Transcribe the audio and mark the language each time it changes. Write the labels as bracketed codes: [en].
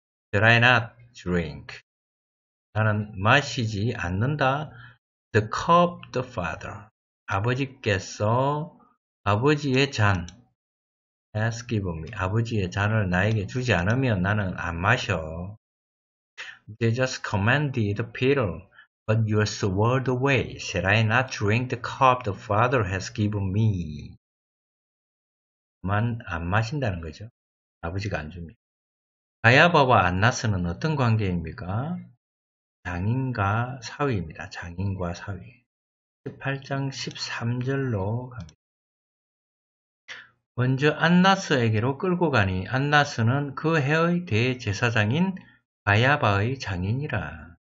[en] That I not drink. [ko] 나는 마시지 않는다. [en] The cup the father. [ko] 아버지께서 아버지의 잔, [en] has given me. [ko] 아버지의 잔을 나에게 주지 않으면 나는 안 마셔. [en] They just commanded Peter, put your sword away. That I not drink the cup the father has given me. [ko] 만 안 마신다는 거죠. 아버지가 안 줍니다. 가야바와 안나스는 어떤 관계입니까? 장인과 사위입니다. 장인과 사위. 18장 13절로 갑니다. 먼저 안나스에게로 끌고 가니 안나스는 그 해의 대제사장인 가야바의 장인이라.